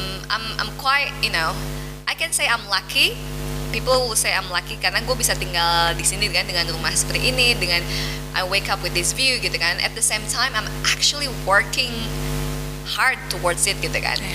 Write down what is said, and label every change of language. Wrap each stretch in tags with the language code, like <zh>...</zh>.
<en>I'm quite, you know, I can say I'm lucky. People will say I'm lucky</en> <id>karena gue bisa tinggal di sini kan dengan rumah seperti ini, dengan</id> <en>I wake up with this view</en> <id>gitu kan.</id> <en>At the same time, I'm actually working hard towards it</en> <id>gitu kan.</id>